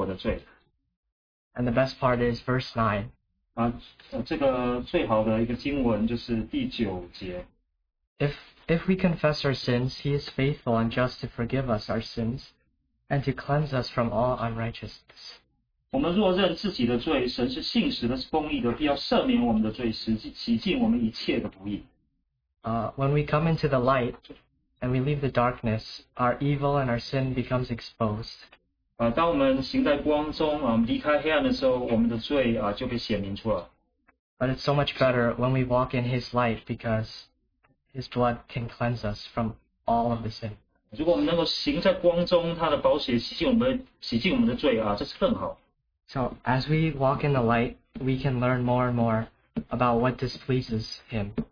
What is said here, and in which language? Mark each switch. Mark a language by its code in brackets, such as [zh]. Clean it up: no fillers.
[zh] 我必须在神面前要敞开，我要认我的罪。 [en] And the best part is verse 9. [zh] 这个最好的一个经文就是第九节。 [en] If we confess our sins, He is faithful and just to forgive us our sins and to cleanse us from all unrighteousness. [zh] 我们若认自己的罪，神是信实的，是公义的，必要赦免我们的罪，洗净我们一切的不义。 [en] When we come into the light and we leave the darkness, our evil and our sin becomes exposed. [zh] 当我们行在光中，离开黑暗的时候，我们的罪就被显明出了。 [en] But it's so much better when we walk in His light because His blood can cleanse us from all of the sin. [zh] 如果我们能够行在光中，他的宝血洗净我们的罪，这是更好。 [en] So as we walk in the light, we can learn more and more about what displeases Him.